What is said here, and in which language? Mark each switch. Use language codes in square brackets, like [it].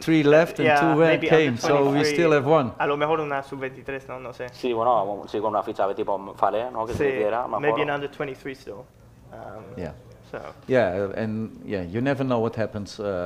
[en] Three left and two came, so we still have one. [es] A lo mejor una sub-23, no, no sé. Sí, bueno, sí, con una ficha de tipo Fale, ¿no? Que sí, se quiera, [en] maybe an under-23 still. Yeah. So. Yeah, and yeah, you never know what happens.